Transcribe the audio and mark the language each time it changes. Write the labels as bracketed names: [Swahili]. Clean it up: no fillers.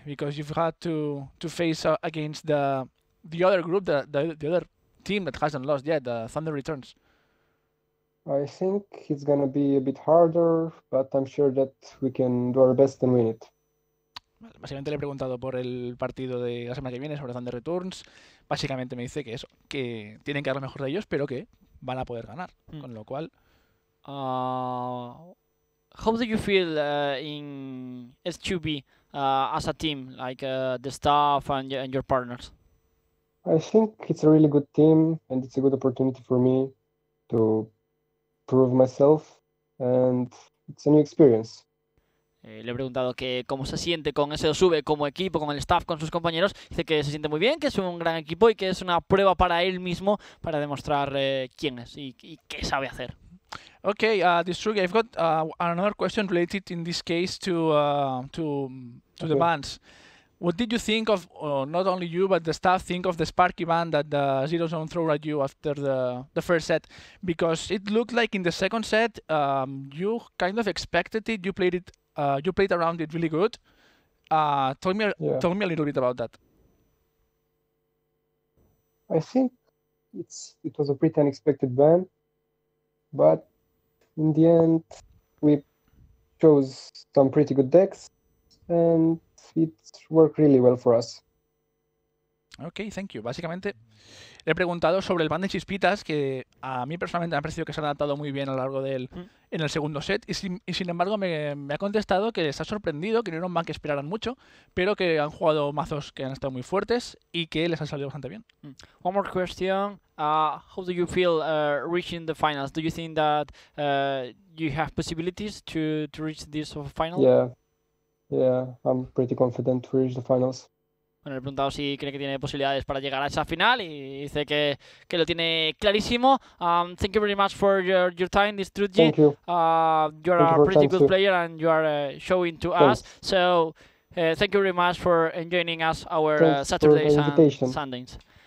[English] Because you've had to face against the other group, the other team that hasn't lost yet, the Thunder Returns. I think it's going to be a bit harder, but I'm sure that we can do our best and win it. [Spanish] Básicamente le he preguntado por el partido de la semana que viene sobre Thunder Returns, básicamente me dice que eso, que tienen que dar lo mejor de ellos, pero que van a poder ganar. Mm. Con lo cual, [English] how do you feel in S2B as a team, like the staff and your partners? I think it's a really good team and it's a good opportunity for me to prove myself and it's a new experience. [Spanish] Le he preguntado que cómo se siente con S2V como equipo, con el staff, con sus compañeros. Dice que se siente muy bien, que es un gran equipo y que es una prueba para él mismo para demostrar quién es y qué sabe hacer. [English] Okay, Destruge, I've got another question related in this case to okay. The bands. What did you think of, not only you, but the staff think of the Sparky band that the Zero Zone threw at you after the first set? Because it looked like in the second set, you kind of expected it, you played around it really good. Tell me a little bit about that. I think it was a pretty unexpected ban, but in the end we chose some pretty good decks and it worked really well for us. Okay, thank you. [Spanish] Básicamente le he preguntado sobre el ban de chispitas, que a mí personalmente me ha parecido que se ha adaptado muy bien a lo largo del en el segundo set, y sin embargo me ha contestado que les ha sorprendido, que no era un ban que esperaran mucho, pero que han jugado mazos que han estado muy fuertes y que les ha salido bastante bien. [English] One more question. How do you feel reaching the finals? Do you think that you have possibilities to reach this final? Yeah, I'm pretty confident to reach the finals. [Spanish] Bueno, le he preguntado si cree que tiene posibilidades para llegar a esa final y dice que lo tiene clarísimo. [English] Thank you very much for your time, Destruge. Thank you. You are a pretty good player and you are showing to us. So thank you very much for joining us our Saturdays and Sundays.